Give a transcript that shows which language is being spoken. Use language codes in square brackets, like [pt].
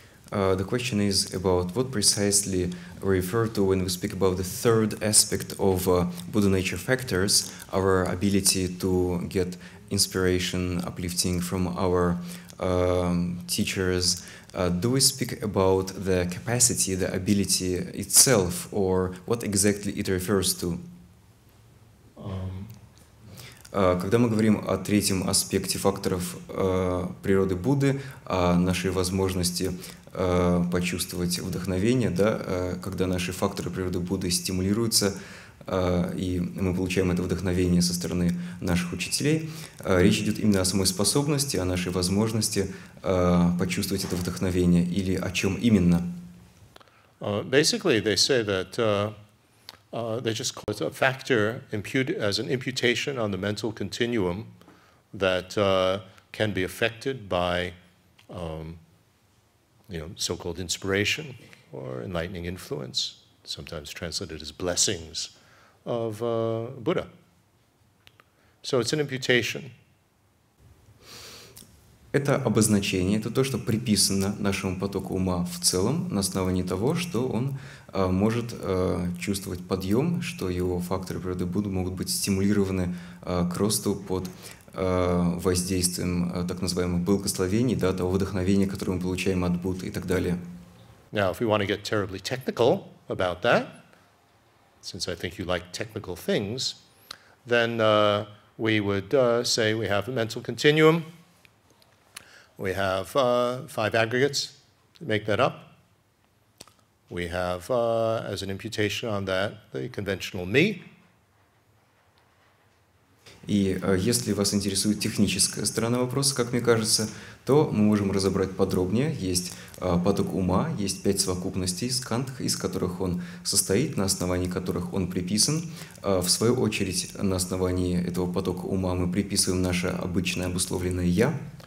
[en] The question is about what precisely we refer to when we speak about the third aspect of Buddha nature factors, our ability to get inspiration, uplifting from our teachers. Do we speak about the capacity, the ability itself, or what exactly it refers to? [ru] Когда мы говорим о третьем аспекте факторов природы Будды, о нашей возможности почувствовать вдохновение, да, когда наши факторы природы Будды стимулируются, и мы получаем это вдохновение со стороны наших учителей, речь идет именно о самой способности, о нашей возможности почувствовать это вдохновение, или о чем именно? [en] Basically, they say that they just call it a factor as an imputation on the mental continuum that can be affected by you know, so-called inspiration or enlightening influence, sometimes translated as blessings of Buddha. So it's an imputation. [ru] Это обозначение, это то, что приписано нашему потоку ума в целом на основании того, что он может чувствовать подъем, что его факторы природы Будды могут быть стимулированы к росту под воздействием так называемых благословений, да, того вдохновения, которое мы получаем от Будды и так далее. [en] Now, if we want to get terribly technical about that, since I think you like technical things, then we would say we have a mental continuum. We have five aggregates to make that up. We have, as an imputation on that, the conventional me. [ru] И если вас интересует техническая сторона вопроса, как мне кажется, то мы можем разобрать подробнее. Есть поток ума, есть пять совокупностей с кантх, из которых он состоит, на основании которых он приписан. В свою очередь, на основании этого потока ума мы приписываем наше обычное обусловленное «я».